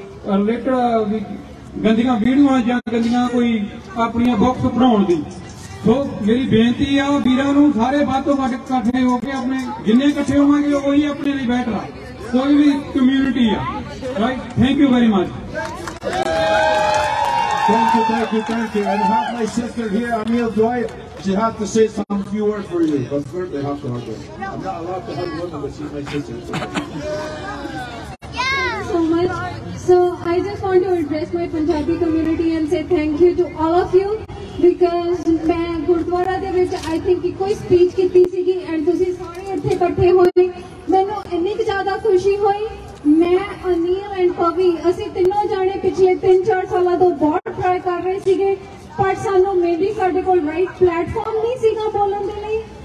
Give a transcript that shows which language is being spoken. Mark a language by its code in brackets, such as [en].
[pa] Related ਵੀ ਗੰਦੀਆਂ ਵੀਡੀਓਆਂ ਜਾਂ ਗੰਦੀਆਂ ਕੋਈ ਆਪਣੀਆਂ ਬੁੱਕਸ ਪੜ੍ਹਾਉਣ ਦੀ ਸੋ ਮੇਰੀ ਬੇਨਤੀ ਆ ਵੀਰਾਂ ਨੂੰ ਸਾਰੇ ਵੱਧ ਤੋਂ ਵੱਧ ਇਕੱਠੇ ਹੋ ਕੇ ਆਪਣੇ ਜਿੰਨੇ ਇਕੱਠੇ ਹੋਵਾਂਗੇ ਉਹੀ ਆਪਣੇ ਲਈ ਬੈਟਰ ਆ ਕੋਈ ਵੀ ਕਮਿਊਨਿਟੀ ਆ [en] Right thank you very much Thank you. And I have my sister here, Anil Dwight. She has to say some few words for you. But first, they have to hug her. I'm not allowed to hug women, but she's my sister. So I just want to address my Punjabi community and say thank you to all of you because [pa] main gurdwara de [en] but I think [pa] ਕੋਈ speech ਕੀਤੀ ਸੀਗੀ and ਤੁਸੀਂ ਸਾਰੇ ਇੱਥੇ ਇਕੱਠੇ ਹੋਏ ਮੈਨੂੰ ਇੰਨੀ ਕੁ ਜ਼ਿਆਦਾ ਖੁਸ਼ੀ ਹੋਈ ਮੈਂ ਅਨੀਲ ਐਂਡ ਪਵੀ ਅਸੀਂ ਤਿੰਨੋਂ ਜਾਣੇ ਪਿਛਲੇ ਤਿੰਨ ਚਾਰ ਸਾਲਾਂ ਤੋਂ ਬਹੁਤ ਟਰਾਈ ਕਰ ਰਹੇ ਸੀਗੇ ਪਰ ਸਾਨੂੰ ਮੇਨਲੀ ਸਾਡੇ ਕੋਲ ਰਾਈਟ ਪਲੈਟਫਾਰਮ ਨਹੀਂ ਸੀਗਾ ਬੋਲਣ ਦੇ ਲਈ